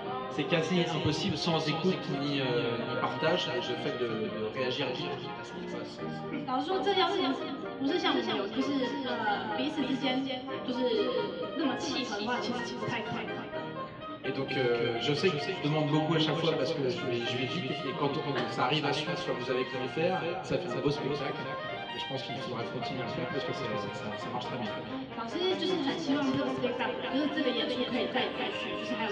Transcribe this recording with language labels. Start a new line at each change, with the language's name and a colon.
French: C'est quasi impossible sans écoute ni partage le fait de réagir à ce qui se passe.
Chinese: 老师说这要是不是像就是彼此之间就是那么契合的话，其实太。
French: Et donc, je sais que je demande beaucoup à chaque fois parce que je vais vite. Et quand ça arrive à suivre ce que vous avez pu faire, ça fait un beau spectacle. Et je pense qu'il faudra continuer à le faire parce que ça marche très bien.
Chinese: 老师就是很希望这个 spectacle， 就是这个演出可以再续，就是还有